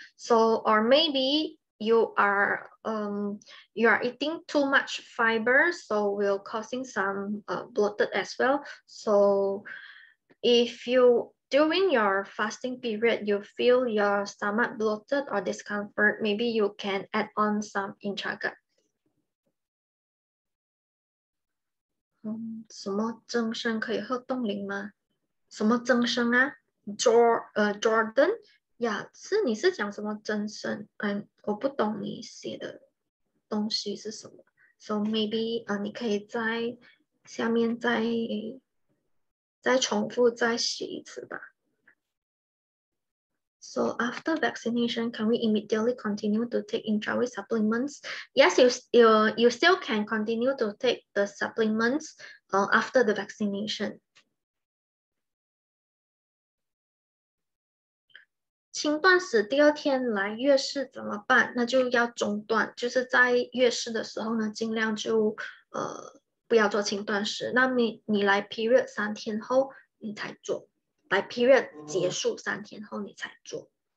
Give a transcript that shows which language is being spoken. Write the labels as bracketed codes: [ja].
[en] So or maybe you are eating too much fiber, so will causing some bloated as well. So if you during your fasting period you feel your stomach bloated or discomfort, maybe you can add on some Intragut. [zh] 什么增生可以喝冻龄吗？什么增生啊？Jordan。呀，是你是讲什么增生？我不懂你写的东西是什么， [en] so maybe [zh] 你可以在下面再重复再写一次吧。 [en] So after vaccination, can we immediately continue to take intravenous supplements? Yes, you still can continue to take the supplements after the vaccination. [zh] 轻断食第二天来月事怎么办？那就要中断，就是在月事的时候呢，尽量就不要做轻断食。那你来 period 三天后你才做，来 period 结束三天后你才做。